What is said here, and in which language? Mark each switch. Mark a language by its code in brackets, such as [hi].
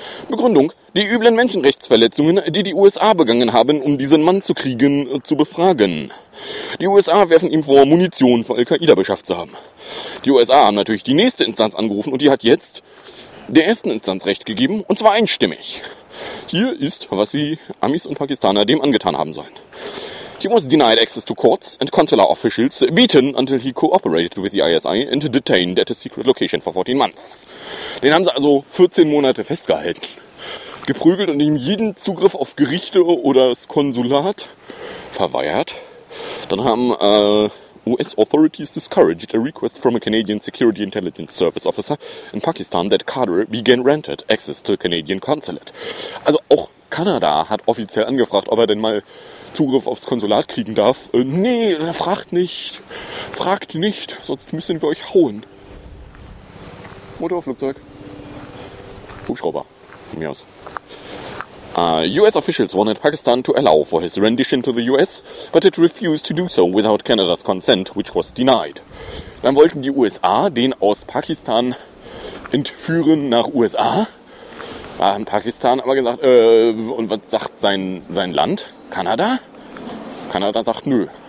[de] Begründung: die üblen Menschenrechtsverletzungen, die die USA begangen haben, um diesen Mann zu kriegen, zu befragen. Die USA werfen ihm vor, Munition für Al-Qaida beschafft zu haben. Die USA haben natürlich die nächste Instanz angerufen und die hat jetzt der ersten Instanz Recht gegeben, und zwar einstimmig. Hier ist, was sie Amis und Pakistaner dem angetan haben sollen. [en] He was denied access to courts and consular officials, beaten until he cooperated with the ISI and detained at a secret location for 14 months. [de] Den haben sie also 14 Monate festgehalten, geprügelt und ihm jeden Zugriff auf Gerichte oder das Konsulat verweigert. Dann haben [en] US authorities discouraged a request from a Canadian Security Intelligence Service officer in Pakistan that Carter be granted access to a Canadian consulate. [de] Also auch Kanada hat offiziell angefragt, ob er denn mal Zugriff aufs Konsulat kriegen darf. Nee, fragt nicht, sonst müssen wir euch hauen. Motorflugzeug. Hubschrauber. Von mir aus. [en] US officials wanted Pakistan to allow for his rendition to the US, but it refused to do so without Canada's consent, which was denied. [de] Dann wollten die USA den aus Pakistan entführen nach USA. Da hat Pakistan aber gesagt, und was sagt sein Land? Kanada? Kanada sagt nö.